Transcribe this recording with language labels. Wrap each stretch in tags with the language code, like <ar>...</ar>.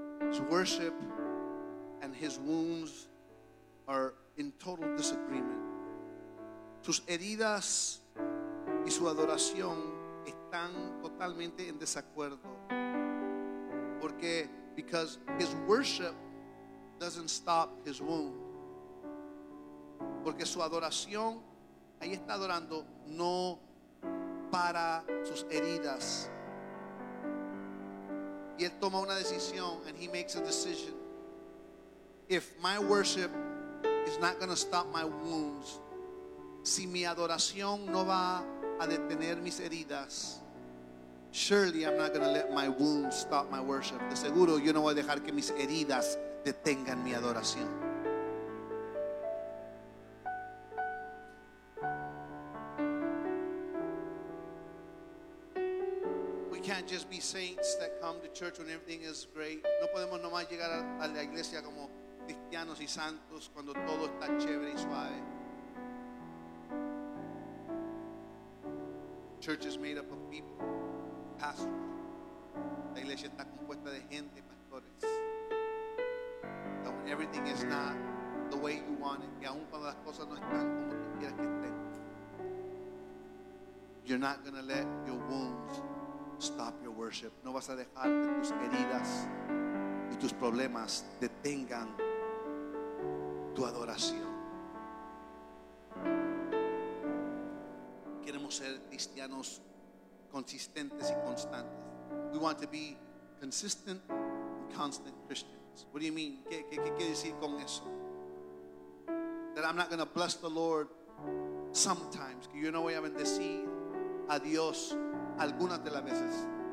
<en>His worship and his wounds are in total disagreement.</en> <es>Sus heridas y su adoración están totalmente en desacuerdo.</es> <en>Porque, because his worship doesn't stop his wound.</en> <es>Porque su adoración, ahí está adorando, no para sus heridas. Y él toma una decisión,</es> <en>and he makes a decision. If my worship is not going to stop my wounds,</en> <es>si mi adoración no va a detener mis heridas,</es> <en>Surely I'm not going to let my wounds stop my worship.</en> <es>De seguro yo no voy a dejar que mis heridas detengan mi adoración.</es> <en>Can't just be saints that come to church when everything is great.</en> <es>No podemos nomás llegar a la iglesia como cristianos y santos cuando todo está chévere y suave.</es> <en>Church is made up of people, pastors.</en> <es>La iglesia está compuesta de gente, pastores.</es> <en>That when everything is not the way you want it,</en> <es>que aun cuando las cosas no están como tú quieras que estén,</es> <en>you're not going to let your wounds stop your worship.</en> <es>No vas a dejar que tus heridas y tus problemas detengan tu adoración. Queremos ser cristianos consistentes y constantes.</es> <en>We want to be consistent and constant Christians. What do you mean?</en> <es>¿Qué quiere decir con eso?</es> <en>That I'm not going to bless the Lord sometimes.</en> <es>Que yo no voy a bendecir a Dios algunas de las veces.</es>